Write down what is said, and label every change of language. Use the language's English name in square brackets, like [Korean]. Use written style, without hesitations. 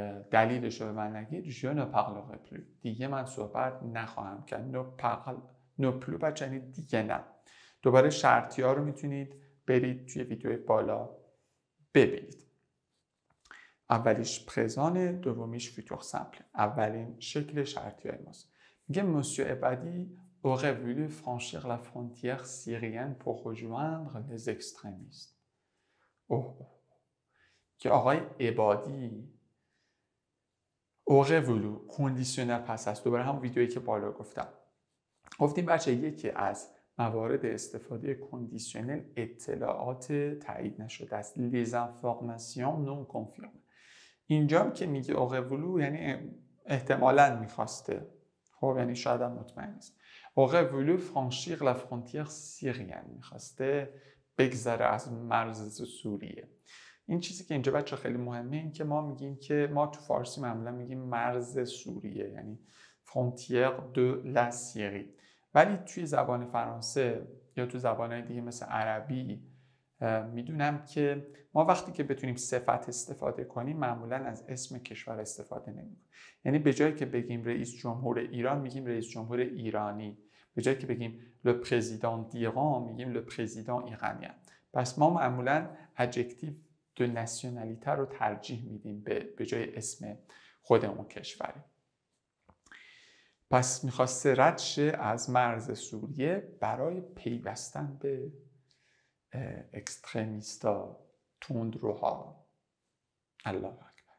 [Persian] دلیلش رو به من نگید [French] je ne parlerai plus. [Persian] دیگه من صحبت نخواهم کرد. [French] Ne parle, ne plus [Persian] بچه یعنی دیگه نه. دوباره شرطی ها رو میتونید برید توی ویدیو بالا ببینید. اولیش پرزان، دومیش فیتور سمپل. اولین شکل شرطی های ماست. میگه [French] monsieur Ebadi aurait voulu franchir la frontière syrienne pour rejoindre les extrémistes. [Persian] که آقای عبادی [French] aurait voulu [Persian] conditionnel پس هست. دوباره هم ویدیویی که بالا گفتم. گفتیم بچه یکی از موارد استفاده conditionnel اطلاعات تایید نشده است. [French] Les informations non confirmées. [Persian] اینجا هم که میگه [French] aurait voulu [Persian] یعنی احتمالاً میخواسته. خب یعنی شاید هم مطمئن نیست. [French] aurait voulu franchir la frontière syrienne. [Persian] میخواسته بگذره از مرز سوریه. این چیزی که اینجا بچه خیلی مهمه این که ما میگیم که ما تو فارسی معمولا میگیم مرز سوریه یعنی [French] frontière de la Syrie. [Persian] ولی توی زبان فرانسه یا تو زبانهای دیگه مثل عربی میدونم که ما وقتی که بتونیم صفت استفاده کنیم معمولا از اسم کشور استفاده نمیکنیم. یعنی به جایی که بگیم رئیس جمهور ایران میگیم رئیس جمهور ایرانی. به جایی که بگیم [French] le président d'Iran [Persian] میگیم [French] le président iranien. [Persian] پس ما معمولا adjective دو نسیونالیته رو ترجیح میدیم به جای اسم خودمون کشوری. پس میخواسته رد شه از مرز سوریه برای پیوستن به اکستریمیستا تندروها. [Arabic] الله اکبر.